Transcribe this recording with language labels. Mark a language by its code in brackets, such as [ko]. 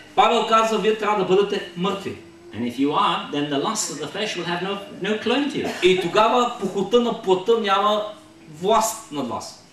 [bg] Павел казва, вие трябва да бъдете мъртви. [en] And if you are, then the lust of the flesh will have no claim to you. [bg] И тогава похотта на плътта няма власт над вас.